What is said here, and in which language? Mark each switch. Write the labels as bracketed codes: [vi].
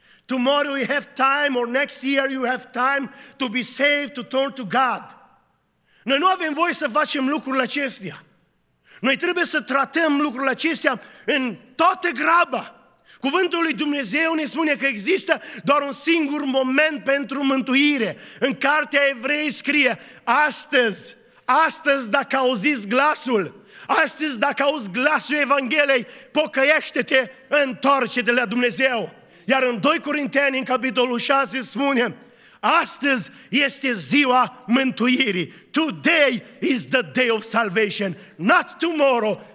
[en] Tomorrow you have time or next year you have time to be saved, to turn to God. [ro] Noi nu avem voie să facem lucrurile acestea. Noi trebuie să tratăm lucrurile acestea în toată graba. Cuvântul lui Dumnezeu ne spune că există doar un singur moment pentru mântuire. În Cartea Evrei scrie, astăzi dacă auziți glasul, astăzi dacă auzi glasul Evangheliei, pocăiește-te, întoarce-te la Dumnezeu. Iar în 2 Corinteni, în capitolul 6, spune, astăzi este ziua mântuirii. [en] Today is the day of salvation, not tomorrow.